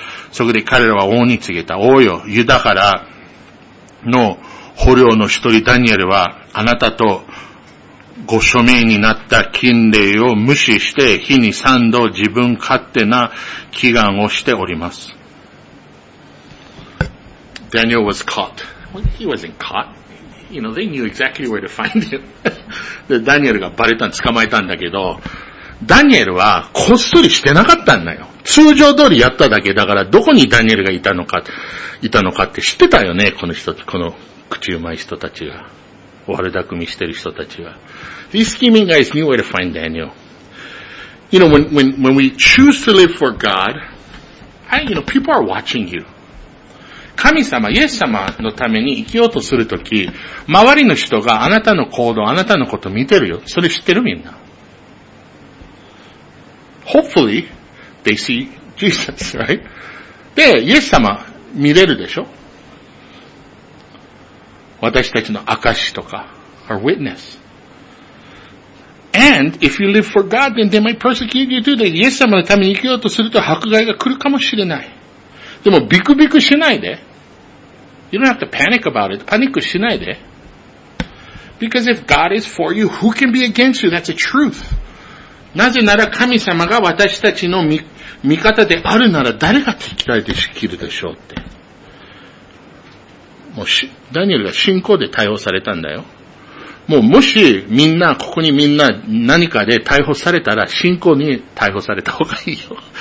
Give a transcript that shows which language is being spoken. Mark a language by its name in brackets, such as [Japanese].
[Japanese] そこで彼らは王に告げた。王よ、ユダからの捕虜の一人ダニエルは、あなたとご署名になった禁令を無視して、日に三度自分勝手な祈願をしております。 [English] Daniel was caught. He wasn't caught. You know, they knew exactly where to find him. [Japanese] で、ダニエルがバレたん、捕まえたんだけど、ダニエルはこっそりしてなかったんだよ。通常通りやっただけだから、どこにダニエルがいたのかって知ってたよね、この人、この口うまい人たちが。悪だくみしてる人たちが。 [English] These scheming guys knew where to find Daniel. You know, when we choose to live for God, you know, people are watching you. [Japanese] 神様、イエス様のために生きようとするとき、周りの人があなたの行動、あなたのこと見てるよ。それ知ってるみんな。 [English] Hopefully, they see Jesus, right? [Japanese] で、イエス様見れるでしょ? 私たちの証とか、 [English] our witness. And, if you live for God, then they might persecute you too. [Japanese] で、イエス様のために生きようとすると迫害が来るかもしれない。でも、ビクビクしないで。 [English] You don't have to panic about it. [Japanese] パニックしないで。 [English] Because if God is for you, who can be against you? That's a truth. [Japanese] なぜなら神様が私たちの味方であるなら誰が敵対できるでしょうって。もうダニエルが信仰で対応されたんだよ。もうもしみんな、ここにみんな何かで逮捕されたら、信仰に逮捕された方がいいよ。